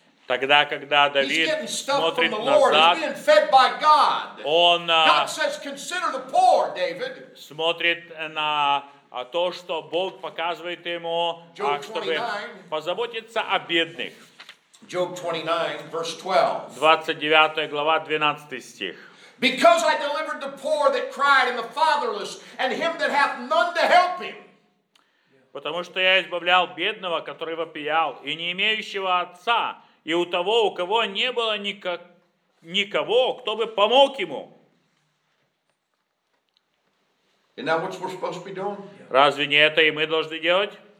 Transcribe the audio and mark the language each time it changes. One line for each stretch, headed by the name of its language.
Russian: Тогда, когда Давид смотрит назад, он
English: says,
Russian: смотрит на то, что Бог показывает ему, чтобы позаботиться о бедных.
English: Job 29, verse 12.
Russian: 29 глава, 12 стих.
English: Because I delivered the poor that cried and the fatherless and him that hath none to help him.
Russian: Потому что я избавлял бедного, который вопиял, и не имеющего отца, и у того, у кого не было никого, кто бы помог ему. Разве не это и мы должны делать?